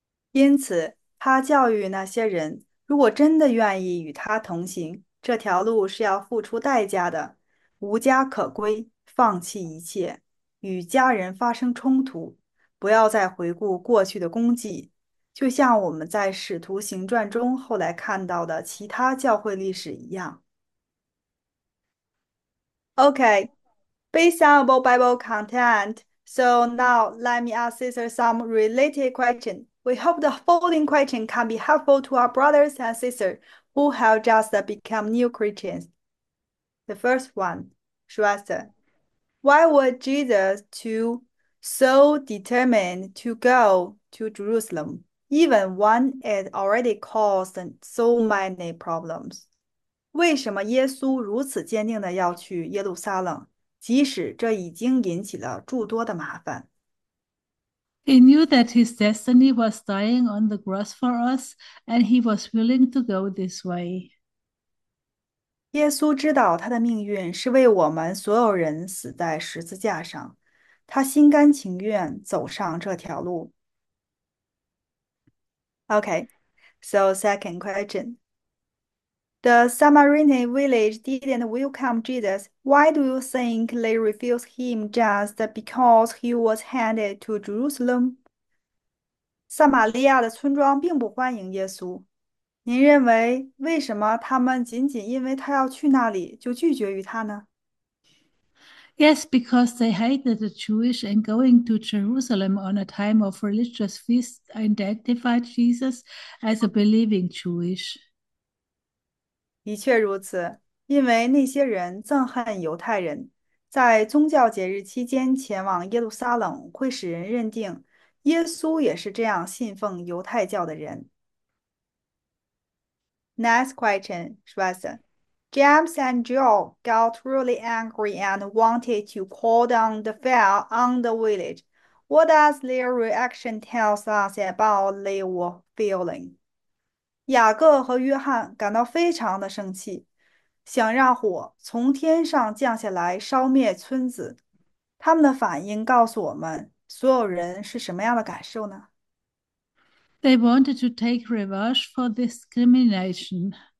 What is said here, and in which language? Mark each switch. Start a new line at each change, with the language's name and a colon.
Chinese: 因此，他教育那些人，如果真的愿意与他同行，这条路是要付出代价的，无家可归，放弃一切，与家人发生冲突，不要再回顾过去的功绩，就像我们在《使徒行传》中后来看到的其他教会历史一样。
English: Okay, based on Bible content, so now let me ask sister some related question. We hope the following question can be helpful to our brothers and sisters who have just become new Christians. The first one, Shwester, why was Jesus too so determined to go to Jerusalem, Even when it already caused so many problems.
Chinese: 为什么耶稣如此坚定的要去耶路撒冷，即使这已经引起了诸多的麻烦？
English: He knew that his destiny was dying on the cross for us, and he was willing to go this way.
Chinese: 耶稣知道他的命运是为我们所有人死在十字架上，他心甘情愿走上这条路。
English: Okay, so second question. The Samaritan village didn't welcome Jesus. Why do you think they refused him just because he was handed to Jerusalem?
Chinese: 撒玛利亚的村庄并不欢迎耶稣。您认为为什么他们仅仅因为他要去那里就拒绝于他呢？
English: Yes, because they hated the Jewish and going to Jerusalem on a time of religious feast identified Jesus as a believing Jewish.
Chinese: 的确如此，因为那些人憎恨犹太人，在宗教节日期间前往耶路撒冷，会使人认定耶稣也是这样信奉犹太教的人。
English: Next question, Schweitzer. James and Joel got really angry and wanted to call down the fire on the village. What does their reaction tell us about their feeling?
Chinese: 雅各和约翰感到非常的生气，想让火从天上降下来烧灭村子。他们的反应告诉我们，所有人是什么样的感受呢？
English: They wanted to take revenge for discrimination.